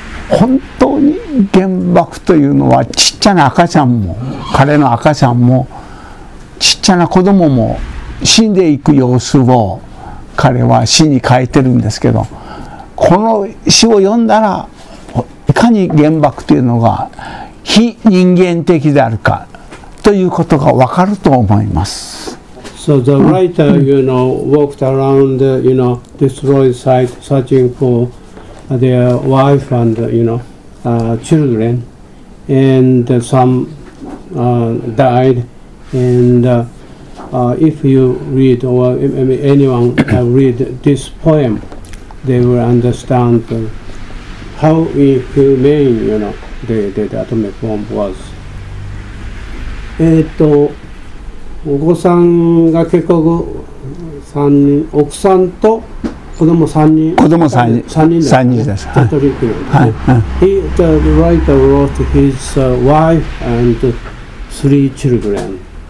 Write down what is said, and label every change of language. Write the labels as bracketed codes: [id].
[ja] 本当に原爆というのはちっちゃな赤ちゃんも彼の赤ちゃんもちっちゃな子供も死んでいく様子を彼は詩に書いてるんですけど、この詩を読んだらいかに原爆というのが非人間的であるかということがわかると思います。 [en] So the writer, you know, walked around, you know, destroyed site searching forTheir wife and, you know, children, and some died. And if you read, or anyone read this poem, they will understand how inhumane, you know, the atomic bomb was. [ja] お子さんが結構3人、奥さんと子供3人、子供3人、 3人です。 3人です。カトリックの。 [en] The writer wrote his wife and three children.